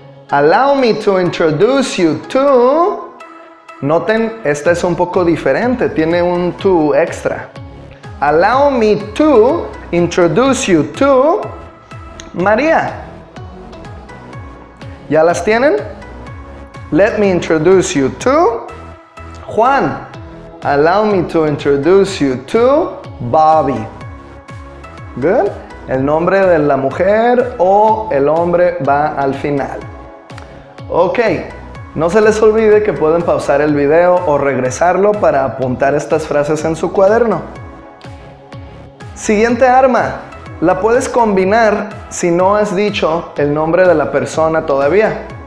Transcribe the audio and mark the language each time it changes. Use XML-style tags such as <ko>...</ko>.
<en>Allow me to introduce you to...</en> <es>Noten, esta es un poco diferente, tiene un to extra.</es> <en>Allow me to introduce you to María.</en> <es>¿Ya las tienen?</es> <en>Let me introduce you to Juan. Allow me to introduce you to Bobby. Good.</en> <es>El nombre de la mujer o el hombre va al final. Ok. No se les olvide que pueden pausar el video o regresarlo para apuntar estas frases en su cuaderno. Siguiente arma. La puedes combinar si no has dicho el nombre de la persona todavía.</es>